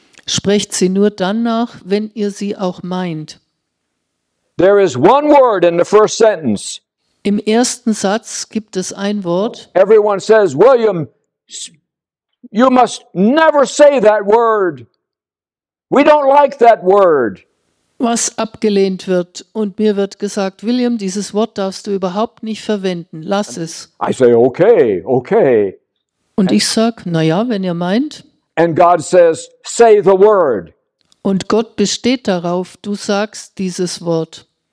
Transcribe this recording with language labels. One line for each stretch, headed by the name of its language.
German: Sprecht sie nur dann nach, wenn ihr sie auch meint.
English: There is one word in the first sentence.
German: Im ersten Satz gibt es ein Wort.
English: Everyone says, William, you must never say that word. We don't like that word.
German: Was abgelehnt wird und mir wird gesagt, William, dieses Wort darfst du überhaupt nicht verwenden. Lass es.
English: I say, okay, okay.
German: Und ich sag, na ja, wenn ihr meint.
English: And God says, say the word.
German: Und Gott besteht darauf, du sagst dieses Wort.